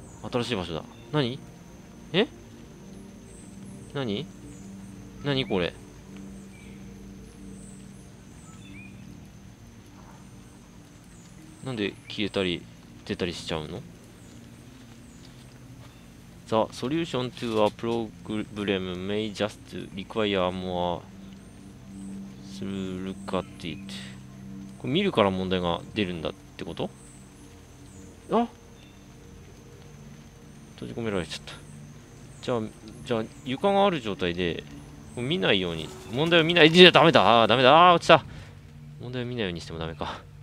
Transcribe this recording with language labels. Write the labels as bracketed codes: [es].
[ja] 新しい場所だ。何？え？何？何これ？なんで消えたり出たりしちゃうの？ [en] The solution to a problem may just require more look at it。 [ja] これ見るから問題が出るんだってこと？あ、閉じ込められちゃった。じゃあ床がある状態で見ないように、問題を見ない。じゃあダメだ。あ、落ちた。問題を見ないようにしてもダメか。